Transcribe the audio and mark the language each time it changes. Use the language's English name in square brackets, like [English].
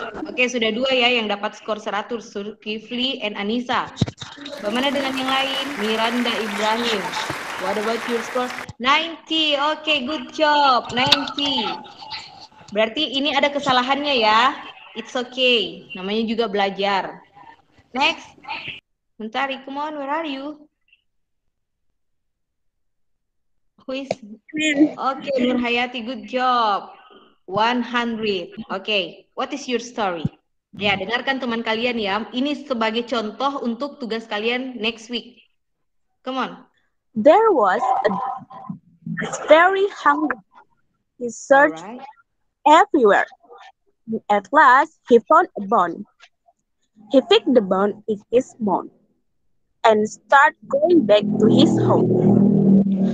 [Indonesian] Oke, sudah dua ya yang dapat skor 100, Sulkifli and Anissa. Bagaimana dengan yang lain? [English] Miranda Ibrahim. What about your score? 90. Oke, good job. 90. [Indonesian] Berarti ini ada kesalahannya ya. [English] It's okay. [Indonesian] Namanya juga belajar. Next. [English] Bentar, come on, where are you? Quiz. Okay, Nur Hayati, good job. 100. Okay, what is your story? [Indonesian] Ya, dengarkan teman kalian ya. Ini sebagai contoh untuk tugas kalian [English] next week. Come on. There was a very hungry. He searched everywhere. At last, he found a bone. He picked the bone in his mouth and start going back to his home.